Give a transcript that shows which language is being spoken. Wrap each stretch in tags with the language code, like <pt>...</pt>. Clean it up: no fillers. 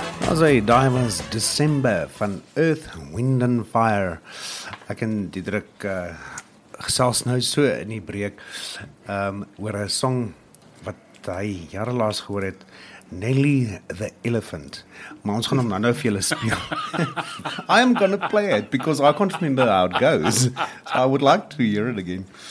<en>As a diver's December van Earth, Wind and Fire.</en> <af>Ek en Diederik gesels nou so in die breek oor 'n song wat hy jare laas gehoor het. Nelly the Elephant. Maar ons gaan hom nou vir julle speel.</af> <en>I am going to play it because I can't remember how it goes. So I would like to hear it again.</en>